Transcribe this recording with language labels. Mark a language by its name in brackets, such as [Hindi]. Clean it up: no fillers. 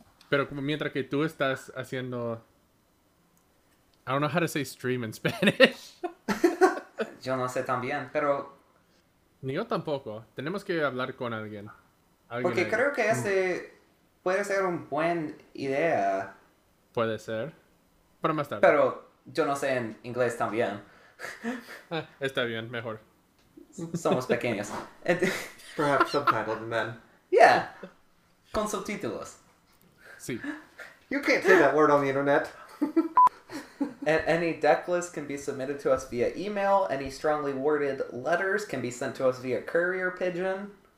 [Spanish] Pero como mientras que tú estás haciendo... [English] I don't know how to say stream in Spanish. [Spanish] Yo no sé también, pero... Ni yo tampoco. Tenemos que hablar con alguien. Porque creo que ese puede ser un buen idea. Puede ser. Pero más tarde. Pero yo no sé en inglés también. Está bien, mejor. Somos pequeños. [English] Perhaps subtitled and then. [Spanish] Yeah. Con subtítulos. Sí. [English] You can't say that word on the internet. And any deck list can be submitted to us via email. Any strongly worded letters can be sent to us via courier pigeon.